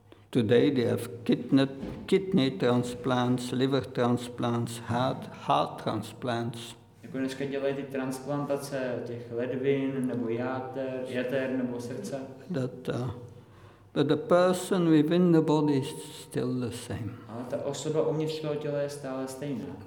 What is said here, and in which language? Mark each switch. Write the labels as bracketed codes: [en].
[en] Today they have kidney transplants, liver transplants, heart transplants. [cs] Jako dneska dělají ty transplantace těch ledvin, nebo jater, nebo srdce. [en] But the person within the body is still the same. [cs] Ale ta osoba uvnitř toho těla je stále stejná.